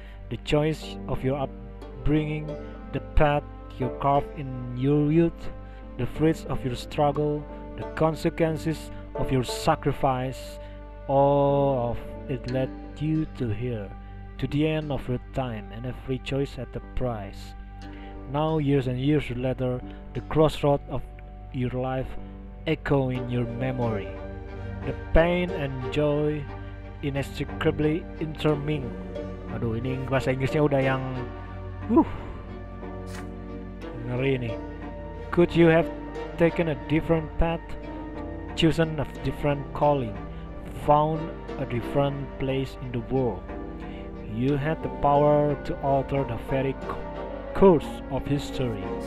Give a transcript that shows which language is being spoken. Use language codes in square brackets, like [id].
[en] The choice of your upbringing, the path you carved in your youth, the fruits of your struggle, the consequences of your sacrifice, all of it led you to here, to the end of your time, and every choice at a price. Now, years and years later, the crossroads of your life echo in your memory. The pain and joy inextricably intermingle. [id] Aduh, ini bahasa Inggrisnya udah yang Ngeri nih. [en] Could you have taken a different path, chosen a different calling, found a different place in the world? You had the power to alter the very course of history.